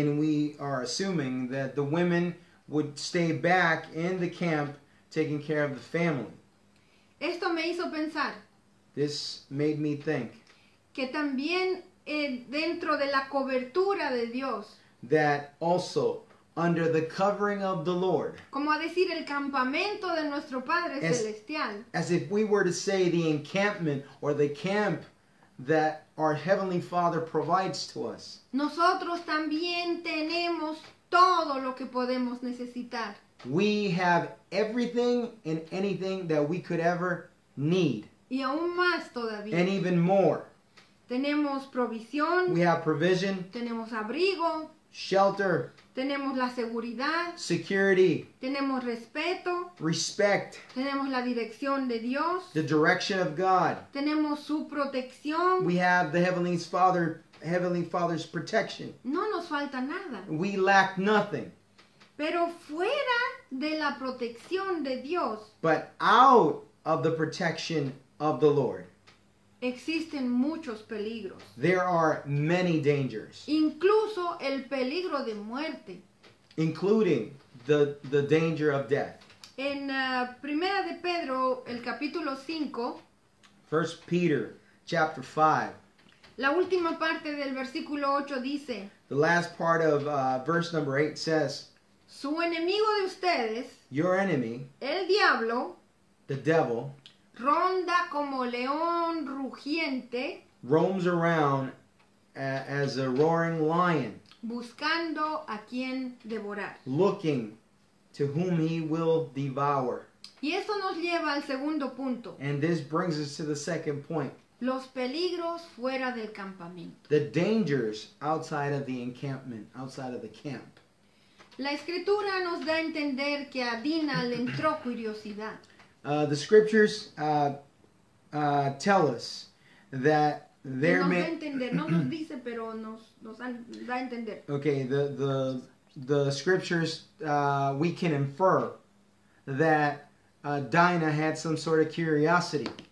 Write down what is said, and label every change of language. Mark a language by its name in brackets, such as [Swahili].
[English] And we are assuming that the women would stay back in the camp taking care of the family. [Spanish] Esto me hizo pensar. [English] This made me think. [Spanish] Que también dentro de la cobertura de Dios. [English] That also under the covering of the Lord. [Spanish] Como a decir el campamento de nuestro Padre Celestial. [English] As if we were to say the encampment or the camp that our Heavenly Father provides to us. [Spanish] Nosotros también tenemos todo lo que podemos necesitar. [English] We have everything and anything that we could ever need. [Spanish] Y aún más todavía. [English] And even more. [Spanish] Tenemos provisión. [English] We have provision. [Spanish] Tenemos abrigo. [English] Shelter. [Spanish] Tenemos la seguridad. [English] Security. [Spanish] Tenemos respeto. [English] Respect. [Spanish] Tenemos la dirección de Dios. [English] The direction of God. [Spanish] Tenemos su protección. [English] We have the Heavenly Father's protection. [Spanish] No nos falta nada. [English] We lack nothing. [Spanish] Pero fuera de la protección de Dios. [English] But out of the protection of the Lord. [Spanish] Existen muchos peligros. [English] There are many dangers. [Spanish] Incluso el peligro de muerte. [English] Including the danger of death. [Spanish] En Primera de Pedro, el capítulo 5. [English] First Peter, chapter 5. [Spanish] La última parte del versículo 8 dice. [English] The last part of verse number 8 says. [Spanish] Su enemigo de ustedes. [English] Your enemy. [Spanish] El diablo. [English] The devil. [Spanish] Ronda como león rugiente. [English] Roams around as a roaring lion. [Spanish] Buscando a quien devorar. [English] Looking to whom he will devour. [Spanish] Y eso nos lleva al segundo punto. [English] And this brings us to the second point. [Spanish] Los peligros fuera del campamento. [English] The dangers outside of the encampment, outside of the camp. [Spanish] La escritura nos da a entender que a Dina le entró curiosidad. [English] The scriptures tell us that there [Spanish] nos Da entender. No nos dice, pero nos da a entender. [English] Okay, the scriptures, we can infer that Dina had some sort of curiosity.